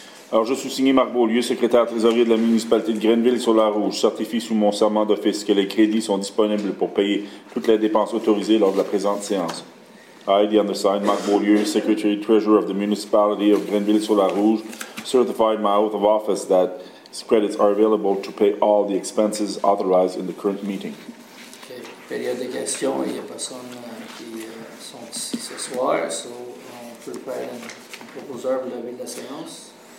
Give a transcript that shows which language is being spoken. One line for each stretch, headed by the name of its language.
French: Alors, je suis signé Marc Beaulieu, secrétaire trésorier de la municipalité de Granville-sur-la-Rouge. Certifie sous mon serment d'office que les crédits sont disponibles pour payer toutes les dépenses autorisées lors de la présente séance.
English: I, the undersigned Marc Beaulieu, secretary treasurer of the municipality of Granville-sur-la-Rouge, certify my oath of office that credits are available to pay all the expenses authorized in the current meeting.
French: Okay. Période de questions. Il n'y a personne qui sont ici ce soir, so on peut faire un proposeur pour lever la séance.